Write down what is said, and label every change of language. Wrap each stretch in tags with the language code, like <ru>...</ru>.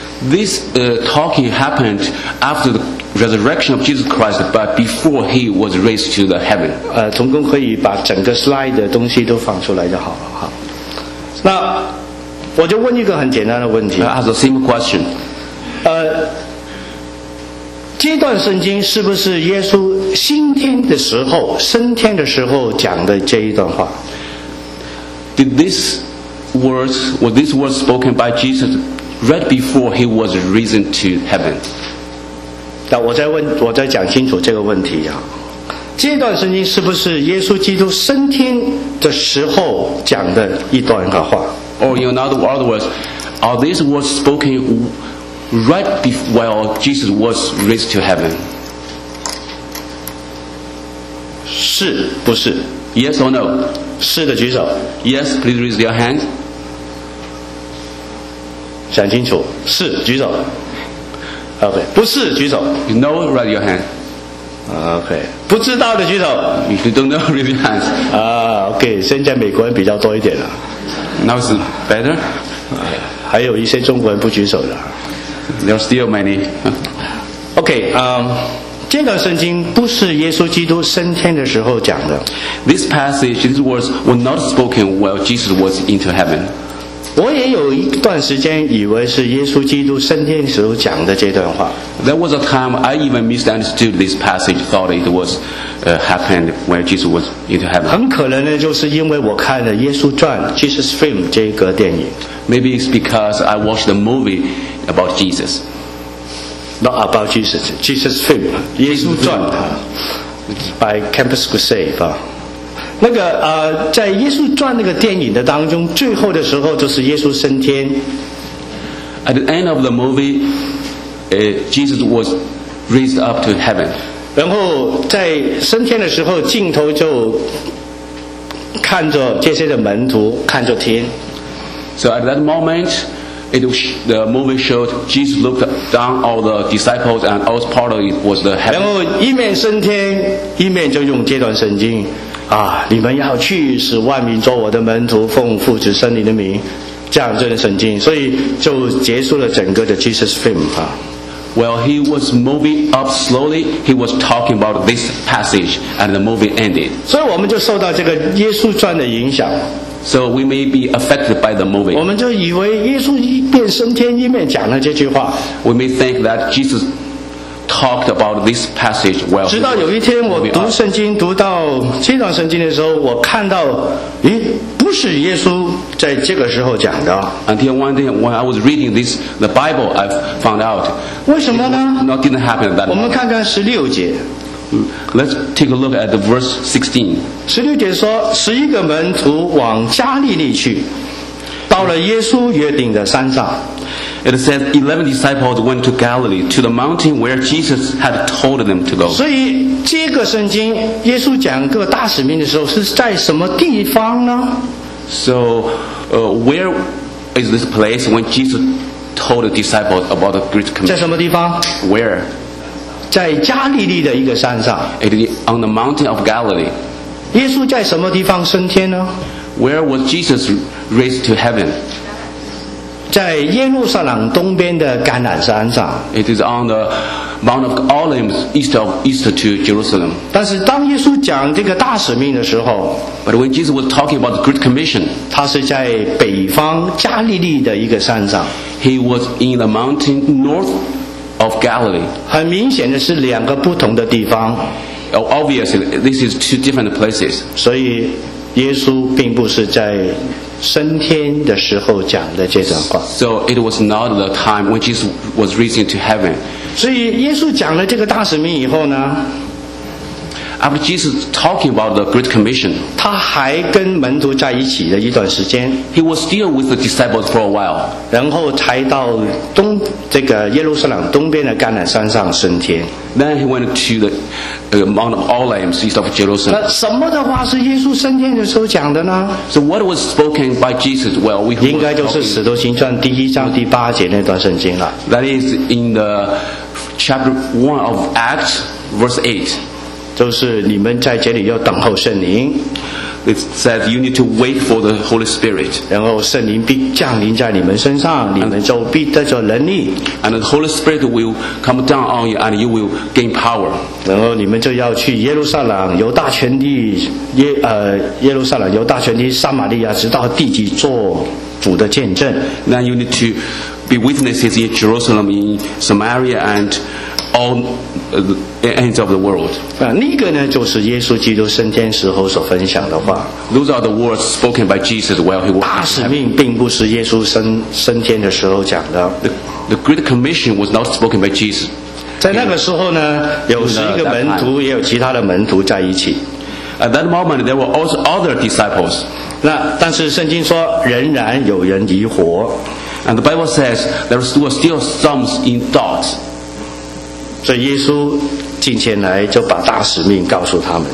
<en>This talking happened after the resurrection of Jesus Christ, but before he was raised to the heaven.</en> <zh>同工可以把整个 slide 的东西都放出来就好了。好，那我就问一个很简单的问题。</zh> <en>Ask the same question.</en> <zh>这段圣经是不是耶稣升天的时候、升天的时候讲的这一段话</zh> <en>？Did this words was this word spoken by Jesus right before he was risen to heaven?</en> <zh>那我再问，我再讲清楚这个问题啊。这段圣经是不是耶稣基督升天的时候讲的一段的话</zh> <en>？Or in other words, are these words spoken right before while Jesus was raised to heaven?</en> <zh>是不是</zh> <en>？Yes or no?</en> <zh>是的，举手。</zh> <en>Yes, please raise your hand.</en> <zh>想清楚，是举手。OK， 不是举手。</zh> <en>You know, raise your hand.</en> <zh>OK， 不知道的举手。</zh> <en>If you don't know, raise your hands.</en> <zh>OK， 现在美国人比较多一点了。</zh> <en>Now it's better.</en> <zh>还有一些中国人不举手的。</zh> <en>There are still many.</en> <zh>OK， 这段圣经不是耶稣基督升天的时候讲的。</zh> <en>This passage, these words were not spoken while Jesus was into heaven.</en> <zh>我也有一段时间以为是耶稣基督升天时候讲的这段话。</zh> <en>There was a time I even misunderstood this passage, thought it was, happened when Jesus was into heaven.</en> <zh>很可能呢，就是因为我看了《耶稣传》（Jesus Film） 这个电影。</zh> <en>Maybe it's because I watched the movie about Jesus. Not about Jesus, Jesus Film, 耶稣传 by Campus Crusade.</en> <zh>那个在耶稣传那个电影的当中，最后的时候就是耶稣升天。</zh> <en>At the end of the movie, Jesus was raised up to heaven.</en> <zh>然后在升天的时候，镜头就看着这些的门徒，看着天。</zh> <en>So at that moment, the movie showed Jesus looked down all the disciples, and all part of it was the heaven.</en> <zh>然后一面升天，一面就用这段圣经啊，你们要去使万民做我的门徒，奉父子圣灵的名，这样这段圣经，所以就结束了整个的 Jesus film 啊。</zh> <en>Well, he was moving up slowly. He was talking about this passage, and the movie ended.</en> <zh>所以我们就受到这个《耶稣传》的影响。</zh> <en>So we may be affected by the movie.</en> <zh>我们就以为耶稣一面升天，一面讲了这句话。</zh> <en>We may think that Jesus talked about this passage well.</en> <zh>直到有一天，我读圣经读到这段圣经的时候，我看到，咦，不是耶稣在这个时候讲的。</zh> <en>Until one day when I was reading this the Bible, I found out.</en> <zh>为什么呢</zh> <en>？Not didn't happen at that.</en> <zh>我们看看十六节。</zh> <en>Let's take a look at the verse 16.</en> <zh>十六节说，十一个门徒往加利利去，到了耶稣约定的山上。</zh> <en>It says 11 disciples went to Galilee, to the mountain where Jesus had told them to go.</en> <zh>所以这个圣经，耶稣讲个大使命的时候是在什么地方呢</zh> <en>？So, where is this place when Jesus told the disciples about the great commission?</en> <zh>在什么地方</zh> <en>？Where?</en> <zh>在加利利的一个山上。</zh> <en>It is on the mountain of Galilee.</en> <zh>耶稣在什么地方升天呢</zh> <en>？Where was Jesus raised to heaven?</en> <zh>在耶路撒冷东边的橄榄山上。</zh> <en>It is on the Mount of Olives, east to Jerusalem.</en> <zh>但是当耶稣讲这个大使命的时候</zh> <en>，But when Jesus was talking about the Great Commission,</en> <zh>他是在北方加利利的一个山上。</zh> <en>He was in the mountain north of Galilee.</en> <zh>很明显的是两个不同的地方。</zh> <en>Obviously, this is two different places.</en> <zh>所以耶稣并不是在。升天的时候讲的这段话。</zh> <en>So it was not the time when Jesus was risen to heaven.</en> <zh>所以耶稣讲了这个大使命以后呢</zh> <en>？After Jesus talking about the Great Commission,</en> <zh>他还跟门徒在一起的一段时间。</zh> <en>He was still with the disciples for a while.</en> <zh>然后才到东这个耶路撒冷东边的橄榄山上升天。</zh> <en>Then he went to the Mount of Olives, east of Jerusalem.</en> <zh>那什么的话是耶稣升天的时候讲的呢</zh> <en>？So what was spoken by Jesus? Well, we</en> <zh>应该就是《使徒行传》第一章第八节那段圣经了。</zh> <en>That is in the chapter 1 of Acts, verse 8.</en> <zh>就是你们在这里要等候圣灵。</zh> <en>It says you need to wait for the Holy Spirit.</en> <zh>然后圣灵必降临在你们身上，你们就必得着能力。</zh> <en>And the Holy Spirit will come down on you, and you will gain power.</en> <zh>然后你们就要去耶路撒冷，犹大全地，耶路撒冷，犹大全地，撒玛利亚，直到地极，做主的见证。</zh> <en>Then you need to be witnesses in Jerusalem, in Samaria, and all the ends of the world.</en> <zh>那个呢，就是耶稣基督升天时候所分享的话。</zh> <en>Those are the words spoken by Jesus while he was.</en> <zh>大使命并不是耶稣升天的时候讲的。</zh> <en>The Great Commission was not spoken by Jesus.</en> <zh>在那个时候呢，有十一个门徒，也有其他的门徒在一起。</zh> <en>At that moment, there were also other disciples.</en> <zh>那但是圣经说，仍然有人疑惑。</zh> <en>And the Bible says there were still some in doubt.</en> <zh>所以耶稣近前来就把大使命告诉他们。</zh>